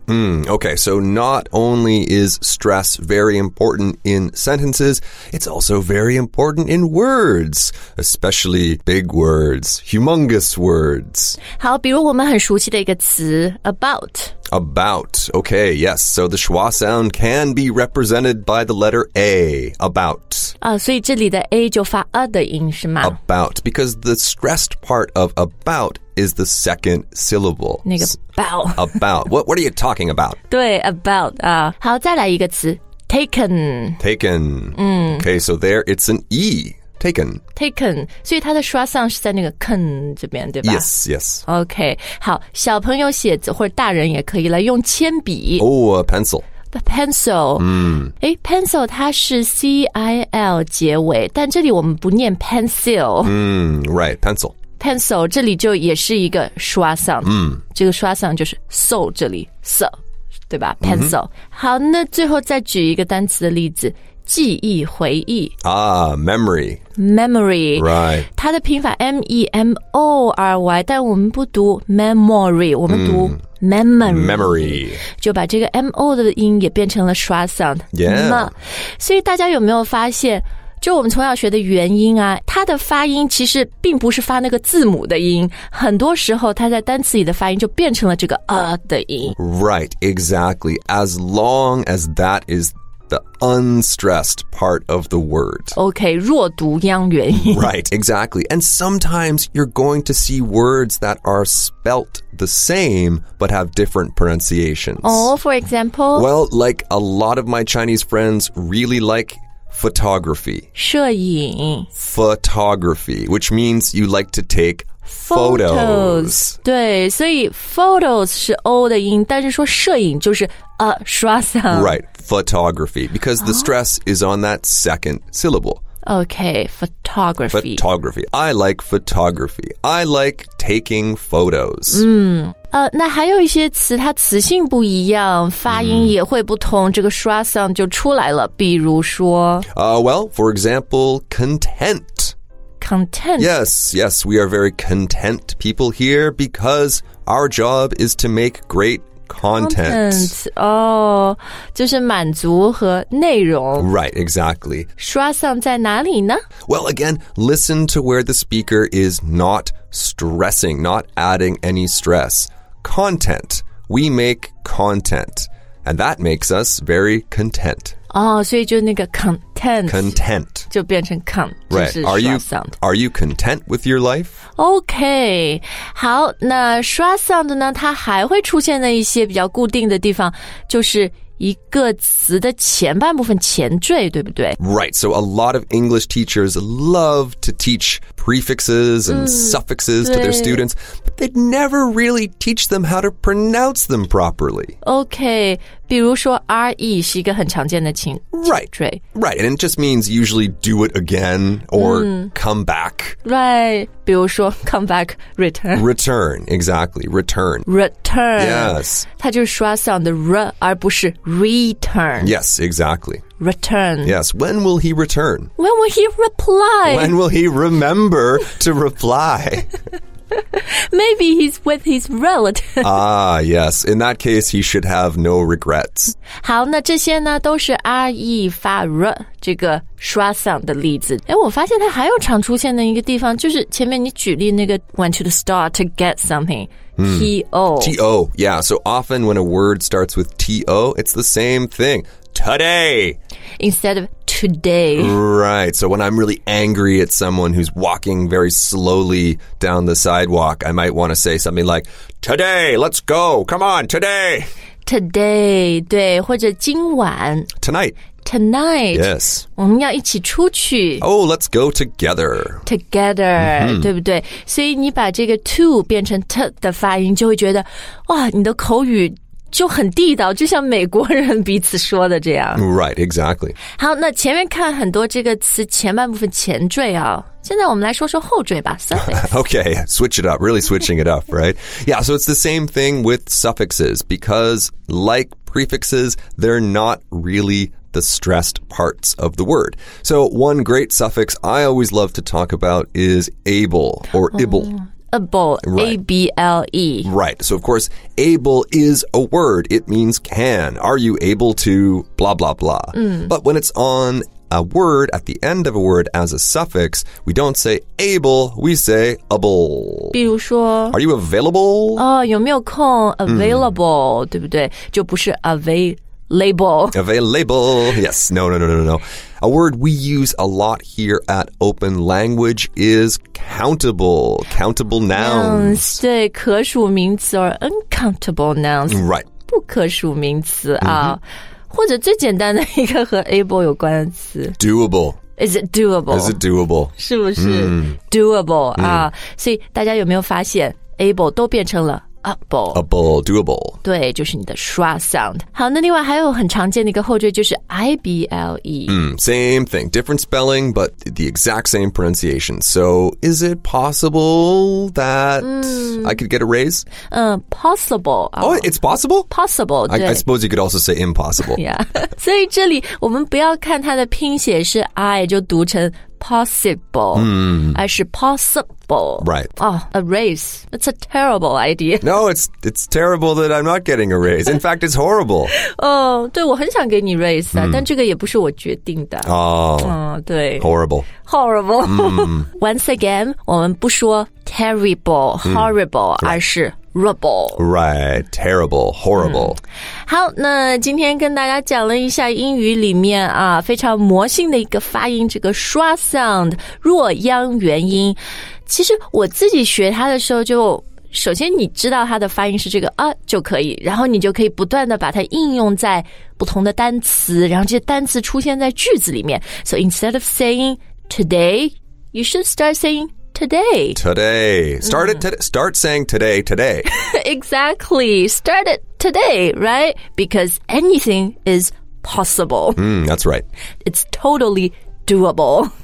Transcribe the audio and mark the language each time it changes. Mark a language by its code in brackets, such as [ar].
[en] Okay, so not only is stress very important in sentences, it's also very important in words, especially big words, humongous words. [zh] 好，比如我们很熟悉的一个词 about. [en] About, okay, yes. So the schwa sound can be represented by the letter A, about. [zh] 所以这里的 A 就发 a 的音是吗 [en] About, because the stressed part of about is the second syllable. [zh] 那个 about. [en] About, what are you talking about? [zh] 对 about. 好再来一个词 taken. [en] Taken. Okay, so there it's an E. Taken. [zh] 所以它的 schwa sound 是在那个 ken 这边对吧 [en] Yes, yes. [zh] OK, 好小朋友写字或者大人也可以来用铅笔 [en] Oh, a pencil. The pencil. [zh] Pencil 它是 C-I-L 结尾但这里我们不念 pencil. [en] Right, pencil. [zh] pencil 这里就也是一个刷嗓，嗯，这个刷嗓就是 so 这里 so 对吧 pencil、嗯、好，那最后再举一个单词的例子，记忆回忆 [en] 啊、memory memory right [zh] 它的拼法 M-E-M-O-R-Y 但我们不读 memory 我们读、嗯Memory, [en] memory [zh] 就把这个 MO 的音也变成了刷 sound、 [en] yeah. [zh] 所以大家有没有发现就我们从小学的元音啊它的发音其实并不是发那个字母的音很多时候它在单词里的发音就变成了这个 的音 [en] Right, exactly As long as that is the unstressed part of the word [zh] OK, 弱读央元音 [en] Right, exactly And sometimes you're going to see words that are speltthe same, but have different pronunciations. Oh, for example? Well, like a lot of my Chinese friends really like photography. [zh] 摄影 [en] Photography, which means you like to take photos. [zh] 对，所以 photos 是 O 的音，但是说摄影就是 刷嗓。 [en] Right, photography, because the stress is on that second syllable. Okay, photography. Photography. I like photography. I like taking photos. [zh] 嗯，那还有一些词，它词性不一样，发音也会不同，这个刷sound就出来了。比如说 [en] well, for example, content. Content. Yes, yes, we are very content people here because our job is to make great content. [zh] Content, 哦，就是满足和内容。 [en] Right, exactly. [zh] 刷嗓在哪里呢? [en] Well, again, listen to where the speaker is not stressing, not adding any stress. Content. We make content. And that makes us very content. [zh] 哦，所以就那个 content. [en] Content. [zh] 就变成 con, 就是刷嗓。 [en] Are you content with your life? [zh] OK, 好，那刷 sound 呢，它还会出现在一些比较固定的地方，就是一个词的前半部分前缀，对不对 [en] ？Right, so a lot of English teachers love to teach prefixes and suffixes to their students, but they'd never really teach them how to pronounce them properly. [zh] OK, 比如说 RE 是一个很常见的前缀 [en] Right, and it just means usually do it again or come back. Right, [zh] 比如说 [en] come back, return. Return, exactly, return. Return. Yes. [zh] 它就是刷 sound 的 R 而不是 return. [en] Yes, exactly. Return. Yes, when will he return? When will he reply? When will he remember to reply? Maybe he's with his relative. Ah, yes. In that case, he should have no regrets. [zh] 好，那这些呢都是 RE 发 R 这个刷 sound 的例子。诶，我发现它还有常出现的一个地方，就是前面你举例那个 went to the store to get something. [en] T-O. T-O, yeah. So often when a word starts with T-O, it's the same thing. Today. Instead of today. Right. So when I'm really angry at someone who's walking very slowly down the sidewalk, I might want to say something like, Today, let's go. Come on, today. [zh] Today, 对，或者今晚。 [en] Tonight. Tonight, yes. [zh] 我们要一起出去。 [en] Oh, let's go together. Together,、mm-hmm. [zh] 对不对？所以你把这个 to 变成 t 的发音，就会觉得哇，你的口语就很地道，就像美国人彼此说的这样。 [en] Right, exactly. [zh] 好，那前面看很多这个词前半部分前缀啊，现在我们来说说后缀吧。 [en] Okay, switch it up. Really switching it up, right? Yeah. So it's the same thing with suffixes because, like prefixes, they're not really. The stressed parts of the word. So one great suffix I always love to talk about is able or ible. Able, A-B-L-E. Right. So of course, able is a word. It means can. Are you able to blah, blah, blah.、 Mm. But when it's on a word, at the end of a word as a suffix, we don't say able, we say able. [zh] 比如说 [en] Are you available? [zh] 哦、oh, 有没有空 Available,、mm. 对不对就不是 Available. [en] Yes. No. A word we use a lot here at Open Language is countable nouns. [zh] 对，可数名词 [en] or uncountable nouns. Right. [zh] 不可数名词啊、mm-hmm. 或者最简单的一个和 able 有关的词。 [en] Doable. Is it doable? [zh] 是不是 doable 啊、mm. 所以大家有没有发现 able 都变成了 [en] Able. Able, doable. [zh] 对，就是你的 schwa sound. 好，那另外还有很常见的一个后缀就是 I-B-L-E. [en] Same thing, different spelling, but the exact same pronunciation. So, is it possible that I could get a raise? Possible. Oh, it's possible? Possible, [zh] 对。 [en] I suppose you could also say impossible. Yeah. [zh] 所以这里我们不要看它的拼写是 I, 就读成possible, I should possible. [en] Right. Oh, a raise. That's a terrible idea. No, it's terrible that I'm not getting a raise. In fact, it's horrible. [zh] Oh, 对，我很想给你 raise 啊，但这个也不是我决定的。对。 [en] Horrible. Horrible. Once again, [zh] 我们不说 terrible, horrible, 而是Rubble. [en] Right. Terrible. Horrible. [zh] 好，那今天跟大家讲了一下英语里面啊非常魔性的一个发音，这个 schwa sound, 弱央元音。其实我自己学它的时候就首先你知道它的发音是这个啊就可以，然后你就可以不断的把它应用在不同的单词，然后这些单词出现在句子里面。 [en] So instead of saying today, you should start sayingToday. Start saying today. Exactly. Start it today, right? Because anything is possible. That's right. It's totally doable.